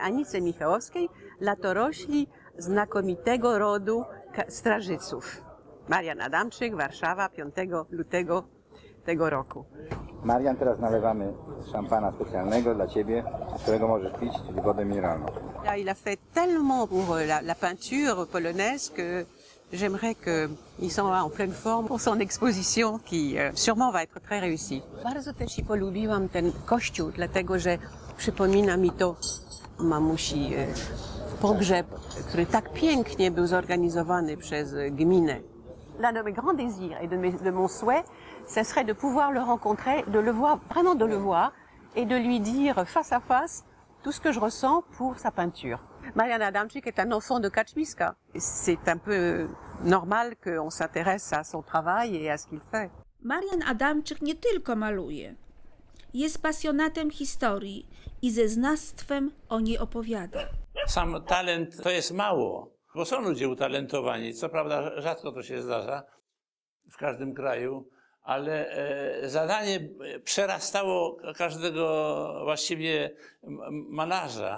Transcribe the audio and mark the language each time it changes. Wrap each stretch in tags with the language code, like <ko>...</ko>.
<pl>Anice Michałowskiej, latorośli znakomitego rodu strażyców. Marian Adamczyk, Warszawa, 5 lutego tego roku. Marian, teraz nalewamy szampana specjalnego dla ciebie, z którego możesz pić, czyli wodę mineralną.</pl> <fr>Il a fait tellement pour la peinture polonaise que J'aimerais qu'ils soient en pleine forme pour son exposition qui sûrement va être très réussie.</fr> <pl>Bardzo też i polubiłam ten kościół, dlatego że przypomina mi to mamusi pogrzeb, który tak pięknie był zorganizowany przez gminę.</pl> <fr>L'un de mes grands désirs et de mon souhait, ce serait de pouvoir le rencontrer, de le voir, vraiment de le voir, et de lui dire face à face tout ce que je ressens pour sa peinture. Marian Adamczyk est un enfant de Kaczmiska. C'est un peu normal qu'on s'intéresse à son travail et à ce qu'il fait.</fr> <pl>Marian Adamczyk nie tylko maluje. Jest pasjonatem historii i ze znawstwem o niej opowiada. Sam talent to jest mało, bo są ludzie utalentowani. Co prawda rzadko to się zdarza w każdym kraju, ale zadanie przerastało każdego właściwie malarza.</pl>